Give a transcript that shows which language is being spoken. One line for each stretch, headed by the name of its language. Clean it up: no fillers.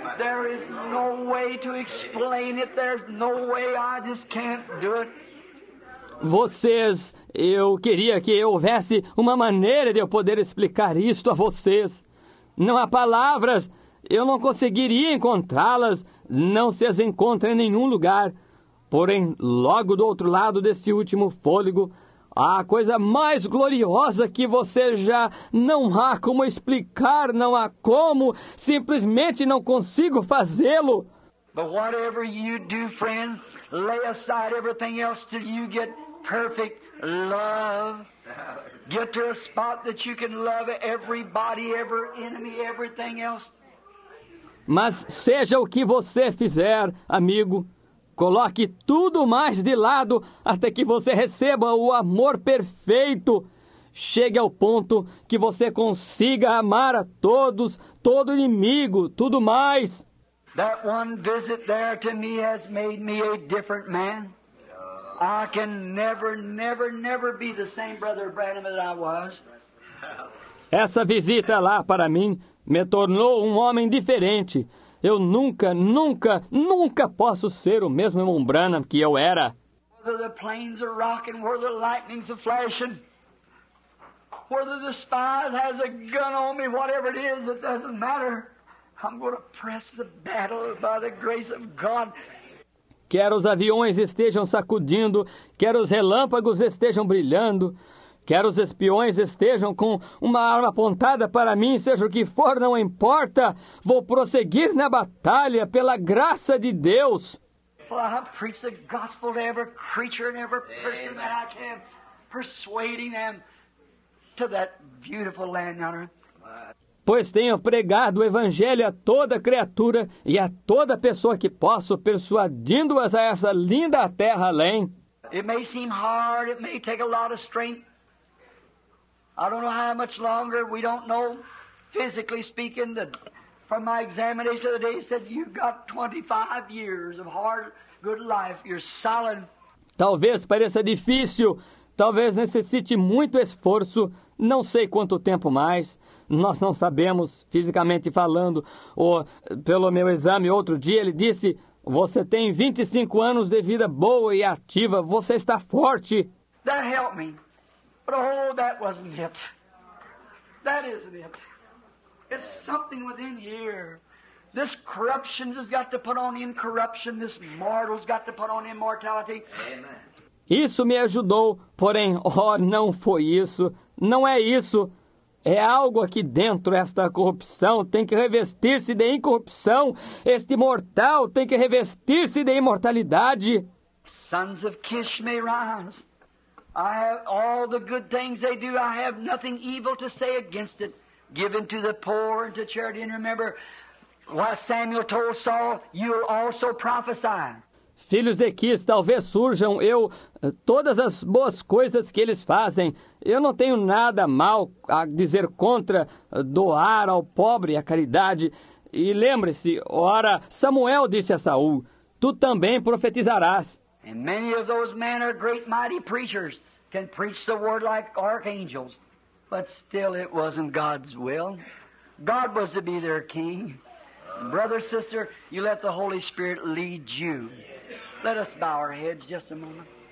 English: There is no way to explain it. There's no way. I just can't do it.
Portuguese: Vocês, eu queria que houvesse uma maneira de eu poder explicar isto a vocês. Não há palavras. Eu não conseguiria encontrá-las. Não se as encontra em nenhum lugar. Porém, logo do outro lado deste último fôlego, há a coisa mais gloriosa que você já não há como explicar, não há como, simplesmente não consigo fazê-lo.
English: But whatever you do, friend, lay aside everything else till you get perfect love. Get to a spot that you can love everybody, every enemy, everything else.
Portuguese: Mas seja o que você fizer, amigo, coloque tudo mais de lado até que você receba o amor perfeito. Chegue ao ponto que você consiga amar a todos, todo inimigo, tudo mais.
English: That one visit there to me has made me a different man. I can never, never, never be the same brother Branham that I was.
Portuguese: Essa visita lá para mim me tornou um homem diferente. Eu nunca, nunca, nunca posso ser o mesmo irmão Branham que eu era.
English: Whether the planes are rocking, whether the lightnings are flashing, whether the spies has a gun on me, whatever it is, it doesn't matter. I'm going to press the battle by the grace of God.
Portuguese: Quer os aviões estejam sacudindo, quer os relâmpagos estejam brilhando, quer os espiões estejam com uma arma apontada para mim, seja o que for, não importa. Vou prosseguir na batalha pela graça de Deus.
English: Well, I preach the gospel to every creature and every person that I can, persuading them to that beautiful land on earth.
Portuguese: Pois tenho pregado o evangelho a toda criatura e a toda pessoa que posso, persuadindo-as a essa linda terra além.
English: It may seem hard, it may take a lot of strength. I don't know how much longer, we don't know, physically speaking, that from my examination of the day, he said, you've got 25 years of hard, good life, you're solid.
Portuguese: Talvez pareça difícil, talvez necessite muito esforço, não sei quanto tempo mais, nós não sabemos, fisicamente falando, ou pelo meu exame outro dia, ele disse, você tem 25 anos de vida boa e ativa, você está forte.
English: That helped me. But oh, that wasn't it. That isn't it. It's something within here. This corruption has got to put on incorruption. This mortal's got to put on immortality. Amen.
Portuguese: Isso me ajudou, porém, não foi isso. Não é isso. É algo aqui dentro, esta corrupção tem que revestir-se de incorrupção. Este mortal tem que revestir-se de imortalidade.
English: Sons of Kish may rise. I have all the good things they do. I have nothing evil to say against it. Given to the poor and to charity. And remember, what Samuel told Saul, you'll also prophesy.
Portuguese: Filhos de Kis, talvez surjam eu todas as boas coisas que eles fazem. Eu não tenho nada mal a dizer contra doar ao pobre a caridade. E lembre-se, ora, Samuel disse a Saul, tu também profetizarás.
English: And many of those men are great mighty preachers, can preach the word like archangels. But still it wasn't God's will. God was to be their king. Brother, sister, you let the Holy Spirit lead you. Let us bow our heads just a moment.